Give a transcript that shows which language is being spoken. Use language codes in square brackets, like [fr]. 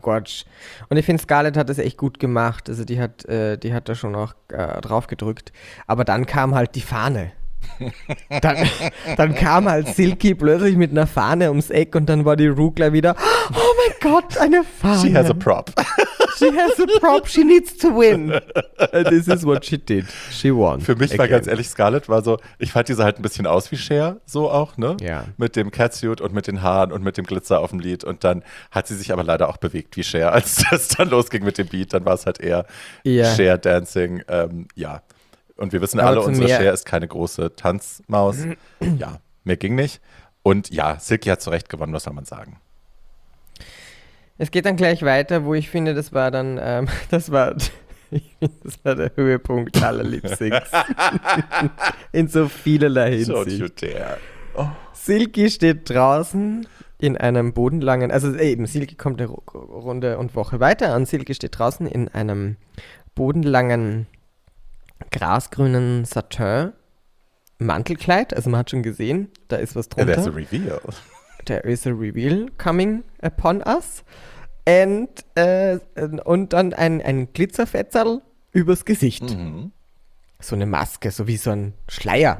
[de] Gott. Und ich finde, Scarlett hat das echt gut gemacht. Also die hat da schon auch drauf gedrückt. Aber dann kam halt die Fahne. dann kam halt Silky plötzlich mit einer Fahne ums Eck und dann war die Ru gleich wieder, oh mein Gott, eine Fahne. [en] She has a prop. She has a prop, she needs to win. And this is what she did. She won. [de] Für mich war ganz ehrlich, Scarlett war so, ich fand diese halt ein bisschen aus wie Cher, so auch, ne? Ja. Mit dem Catsuit und mit den Haaren und mit dem Glitzer auf dem Lied. Und dann hat sie sich aber leider auch bewegt wie Cher, als das dann losging mit dem Beat. Dann war es halt eher Cher-Dancing. Ja. Und wir wissen alle, unsere Cher ist keine große Tanzmaus. Ja, mehr ging nicht. Und ja, Silky hat zu Recht gewonnen, was soll man sagen? Es geht dann gleich weiter, wo ich finde, das war dann, das war der Höhepunkt aller Lip-Syncs. In so vielerlei Hinsicht. [en] Don't you dare. [de] Silky steht draußen in einem bodenlangen, also eben, Silky kommt eine Runde und Woche weiter und Silky steht draußen in einem bodenlangen, grasgrünen Satin-Mantelkleid. Also man hat schon gesehen, da ist was drunter. [en] There's a reveal. There is a reveal coming upon us. [de] Und dann ein Glitzerfetzerl übers Gesicht. Mhm. So eine Maske, so wie so ein Schleier.